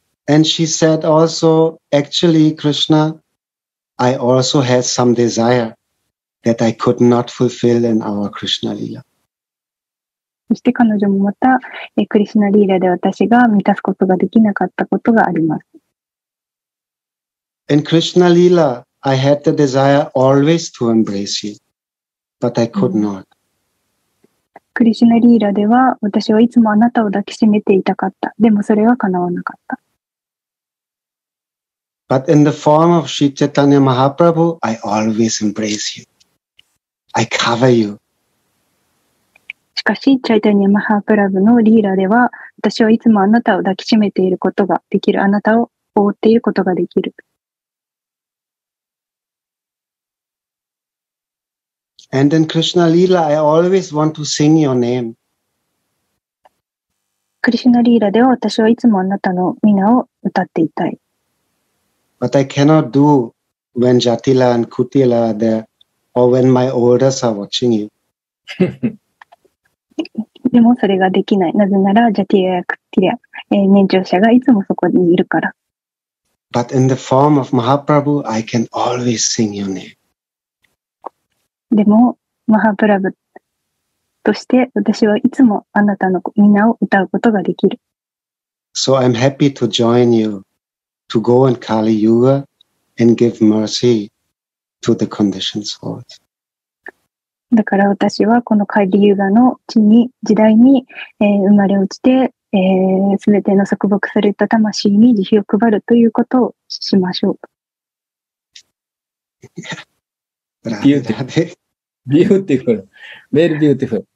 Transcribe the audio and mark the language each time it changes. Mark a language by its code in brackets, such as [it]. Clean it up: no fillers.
[en] And she said also, actually, Krishna, I also had some desire that I could not fulfill in our Krishna Lila. [ja] そして彼女もまた、クリシュナリーラで私が満たすことができなかったことがあります。 [en] In Krishna Lila, I had the desire always to embrace you, but I could not. [ja] クリシュナリーラでは私はいつもあなたを抱きしめていたかった。でもそれは叶わなかった。 [en] But in the form of Sri Chaitanya Mahaprabhu, I always embrace you. I cover you. [ja] しかし、チャイタニア・マハープラブのリーラでは、私はいつもあなたを抱きしめていることができる、あなたを覆っていることができる。 [en] And in Krishna Lila, I always want to sing your name. [ja] クリシュナリーラでは、私はいつもあなたの皆を歌っていたい。 [en] but I cannot do when Jatila and Kutila are there, or when my elders are watching you. [ja] でもそれができない。なぜなら、ジャティラやクティラ、年長者がいつもそこにいるから。 [en] But in the form of Mahaprabhu, I can always sing your name. [ja] でも、マハプラブとして私はいつもあなたのみんなを歌うことができる。 [en] So I'm happy to join you to go in Kali Yuga and give mercy to the conditioned souls. [ja] だから私はこのカリユーガの地に時代に、生まれ落ちて、すべての束縛された魂に慈悲を配るということをしましょう。 [en] Beautiful, very beautiful.